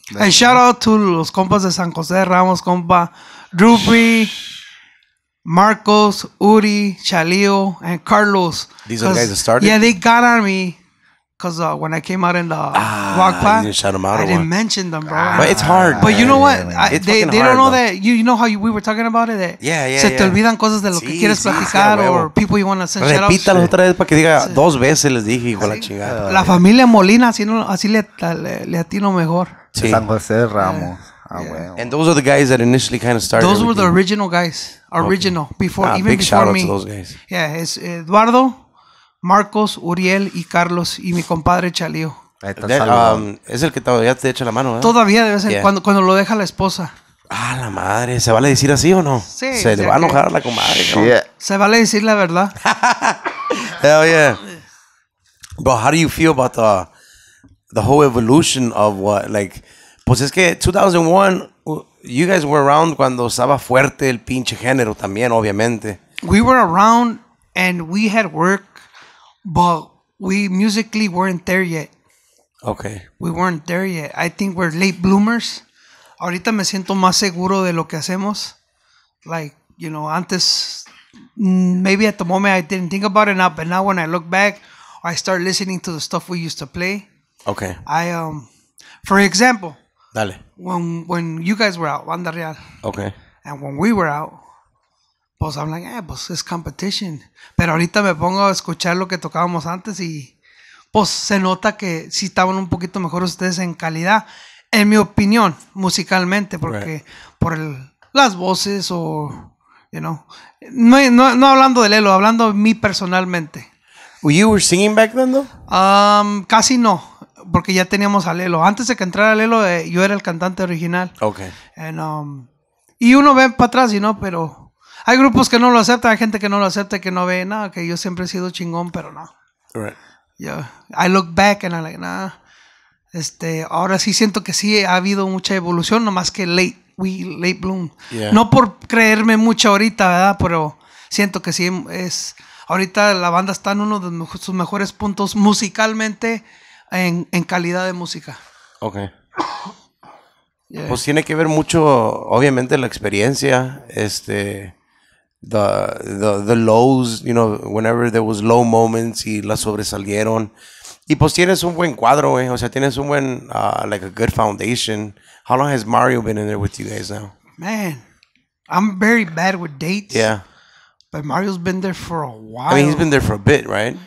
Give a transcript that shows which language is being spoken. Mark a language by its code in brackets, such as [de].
[en] And shout out to los compas de San José Ramos, compa. Drupi, Marcos, Uri, Chalio, and Carlos. These are the guys that started? Yeah, they got on me. Because when I came out in the walk path, you didn't shout them out I didn't mention them, bro. But it's hard. But you know what? They don't know that. You know how we were talking about it? That yeah. [es] Se te olvidan cosas de lo que quieres platicar or people you want to send shout outs. Repítalo otra vez para que diga dos veces les dije, hijo la chingada. La familia Molina, así le atino mejor. Sí. San José Ramos. [en] And those are the guys that initially kind of started. Those were the original guys. Original. Okay. Before, even before me. Big shout out to those guys. Yeah, it's Eduardo, Marcos, Uriel y Carlos y mi compadre Chalío. [es] Es el que todavía te echa la mano, ¿eh? Todavía de vez en cuando lo deja la esposa. Ah, la madre, ¿se vale decir así o no? Sí. Se le va a enojar a la comadre, ¿no? [en] Yeah. [es] Se vale decir la verdad. [en] Hell yeah. Bro, how do you feel about the whole evolution of what, like, pues es que 2001, you guys were around cuando estaba fuerte el pinche género también, obviamente. We were around and we had work. But we musically weren't there yet. Okay. We weren't there yet. I think we're late bloomers. [es] Ahorita me siento más seguro de lo que hacemos. [en] Like, you know, antes, maybe at the moment I didn't think about it now, but now when I look back, I start listening to the stuff we used to play. Okay. For example. [es] Dale. [en] When you guys were out, Banda Real. Okay. And when we were out. Pues I'm like, pues it's competition. [es] Pero ahorita me pongo a escuchar lo que tocábamos antes y pues se nota que sí estaban un poquito mejor ustedes en calidad, en mi opinión, musicalmente, porque por las voces o, you know. No hablando de Lelo, hablando de mí personalmente. [en] You were singing back then, though? [es] Casi no, porque ya teníamos a Lelo. Antes de que entrara Lelo, yo era el cantante original. [en] Okay. [es] Y uno ve para atrás y no, pero... Hay grupos que no lo aceptan, hay gente que no lo acepta, que no ve nada, que yo siempre he sido chingón, pero no. [en] Right. Yeah. I look back and I'm like, nah. [es] Ahora sí siento que sí ha habido mucha evolución, nomás que late bloom. [en] Yeah. [es] No por creerme mucho ahorita, ¿verdad? Pero siento que sí es... Ahorita la banda está en uno de sus mejores puntos musicalmente en calidad de música. [en] Ok. [es] Yeah. Pues tiene que ver mucho, obviamente, la experiencia, [en] the lows, you know, whenever there was low moments y las sobresalieron. [es] Y pues tienes un buen cuadro, eh. O sea, tienes un buen, like a good foundation. [en] How long has Mario been in there with you guys now? Man, I'm very bad with dates. Yeah. But Mario's been there for a while. I mean, he's been there for a bit, right?